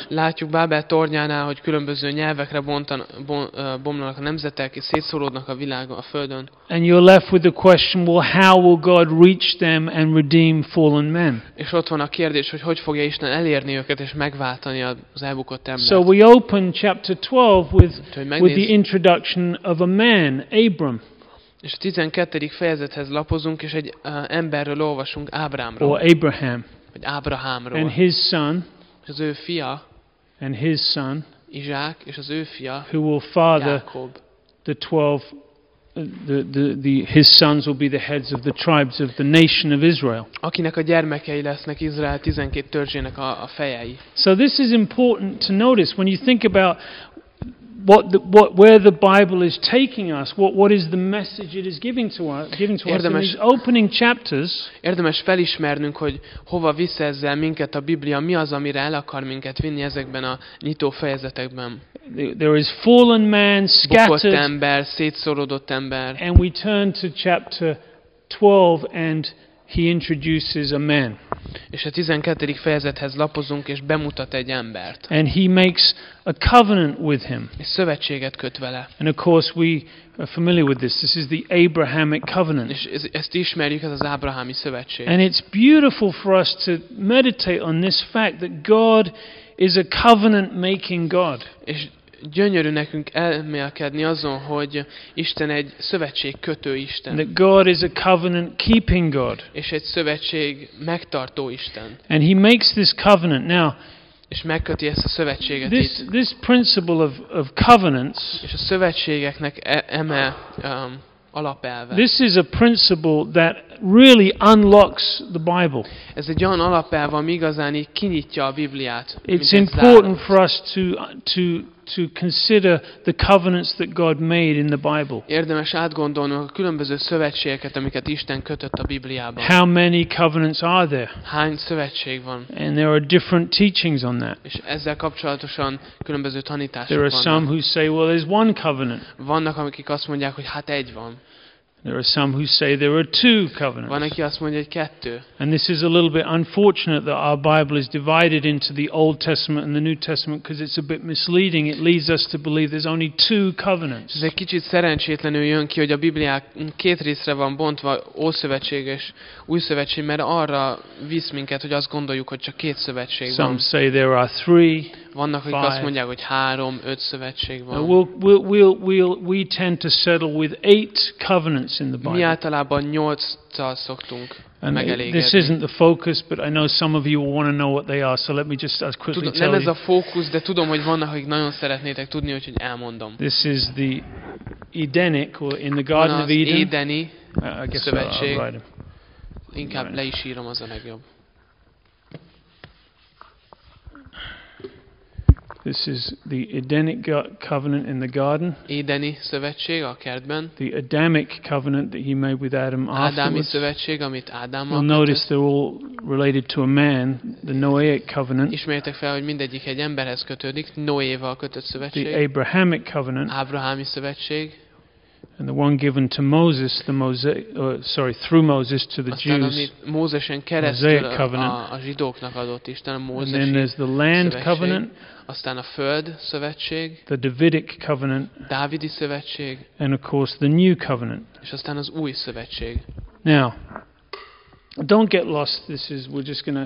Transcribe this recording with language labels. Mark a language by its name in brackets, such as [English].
[Hungarian] Látjuk Bábel tornyánál, hogy különböző nyelvekre bomlanak a nemzetek, és szétszóródnak a világon, a földön. [English] And you're left with the question, well, how will God reach them and redeem fallen men? [Hungarian] És ott van a kérdés, hogy hogyan fogja Isten elérni őket és megváltani az elbukott embert. [English] So we open chapter 12 with the introduction of a man, Abram. [Hungarian] És a 12. fejezethez lapozunk, és egy emberről olvasunk, Ábrámról. [English] Or Abraham. [Hungarian] Vagy Ábrahámról. [English] And his son. [Hungarian] És az ő fia. [English] And his son. [Hungarian] Izsák, és az ő fia. [English] Who will father [Hungarian] Jákob. [English] The 12, the his sons will be the heads of the tribes of the nation of Israel. [Hungarian] Akinek a gyermekei lesznek Izrael 12 törzsének a fejei. [English] So this is important to notice when you think about where the Bible is taking us, what is the message it is giving to us [Hungarian] érdemes, [English] in these opening chapters. [Hungarian] Érdemes felismernünk, hogy hova visz ezzel minket a Biblia, mi az, amire el akar minket vinni ezekben a nyitó fejezetekben. [English] There is fallen man, scattered, [Hungarian] bukott ember, szétszorodott ember. [English] And we turn to chapter 12 and he introduces a man. [Hungarian] És a 12. fejezethez lapozunk, és bemutat egy embert. [English] And he makes a covenant with him. [Hungarian] És szövetséget köt vele. [English] And of course we are familiar with this. This is the Abrahamic covenant. [Hungarian] És ezt ismerjük, ez az ábrahámi szövetség. [English] And it's beautiful for us to meditate on this fact that God is a covenant making God. [Hungarian] És gyönyörű nekünk elmélkedni azon, hogy Isten egy szövetségkötő Isten. [English] That God is a covenant keeping God. [Hungarian] És egy szövetség megtartó Isten. [English] And he makes this covenant. Now, [Hungarian] és megköti ezt a szövetséget. [English] This principle of covenants. [Hungarian] És a szövetségeknek eme alapelve. [English] This is a principle that really unlocks the Bible. [Hungarian] Ez egy olyan alapelv, ami igazán így kinyitja a Bibliát. [English] It's important for us to consider the covenants that God made in the Bible. [Hungarian] Érdemes átgondolnunk a különböző szövetségeket, amiket Isten kötött a Bibliában. [English] How many covenants are there? [Hungarian] Hány szövetség van? [English] And there are different teachings on that. [Hungarian] És ezzel kapcsolatosan különböző tanítások van. [English] There are some who say, well, there's one covenant. [Hungarian] Vannak, akik azt mondják, hogy hát egy van. [English] There are some who say there are two covenants. [Hungarian] Van, aki azt mondja, hogy kettő. [English] And this is a little bit unfortunate that our Bible is divided into the Old Testament and the New Testament because it's a bit misleading. It leads us to believe there's only two covenants. [Hungarian] Ez egy kicsit szerencsétlenül jön ki, hogy a Biblia két részre van bontva, Ószövetség és Újszövetség, mert arra visz minket, hogy azt gondoljuk, hogy csak két szövetség van. [English] Some say there are three. [Hungarian] Vannak, akik azt mondják, hogy három, öt szövetség van. [English] We tend to settle with eight covenants in the Bible. [Hungarian] Mi általában nyolccal szoktunk megelégedni. [English] This isn't the focus, but I know some of you want to know what they are, so let me just as quickly tell you. [Hungarian] Nem ez a fókus, de tudom, hogy vannak, akik nagyon szeretnétek tudni, úgyhogy elmondom. [English] This is the Edenic, or in the Garden of Eden. [Hungarian] Édeni szövetség. Inkább le is írom, az a legjobb. [English] This is the Edenic covenant in the garden. [Hungarian] Édeni szövetség a kertben. [English] The Adamic covenant that he made with Adam afterwards. [Hungarian] Ádámi szövetség, amit Ádámmal. [English] You'll notice they're all related to a man, the Noahic covenant. [Hungarian] Ismerjétek fel, hogy mindegyik egy emberhez kötődik, Noéval kötött szövetség. [English] The Abrahamic covenant. [Hungarian] Ábrahámi szövetség. [English] And the one given to Moses, through Moses to the Jews. [Hungarian] Mózesen keresztül a zsidóknak adott Isten a Mózesi. [English] And then there's the land covenant. [Hungarian] Aztán a föld szövetség, [English] the Davidic covenant, [Hungarian] Dávidi szövetség, [English] and of course the new covenant. [Hungarian] És aztán az új szövetség. [English] Now, don't get lost. This is we're just going to